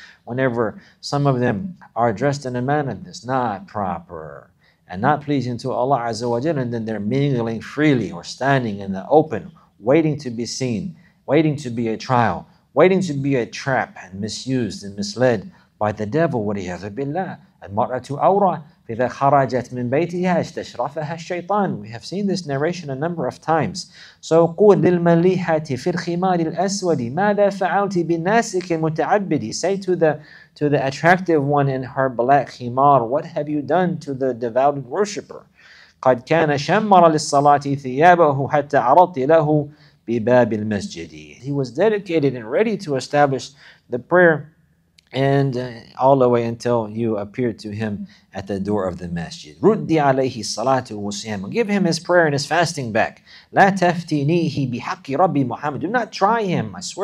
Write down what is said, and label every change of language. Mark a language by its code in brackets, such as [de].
[en] whenever some of them are dressed in a manner that's not proper, and not pleasing to Allah Azza wa Jalla, and then they're mingling freely, or standing in the open, waiting to be seen, waiting to be a trial, waiting to be a trap, and misused and misled by the devil, [ar] وَلِيَذَ بِاللَّهِ المرأة أورا إذا خرجت من بيتها استشرفها الشيطان. [en] We have seen this narration a number of times. [ar] So قل للمليحة في الخمار الأسود ماذا فعلت بالناسك المتعبد. [en] Say to the attractive one in her black khimar, what have you done to the devout worshipper? [ar] قد كان شمر للصلاة ثيابه حتى عرضت له بباب المسجد. [en] He was dedicated and ready to establish the prayer and all the way until you appeared to him at the door of the masjid. [ar] Ruddi alayhi salatu wa siyam. [en] Give him his prayer and his fasting back. [ar] La taftinihi bihaqqi rabbi Muhammad. [en] Do not try him.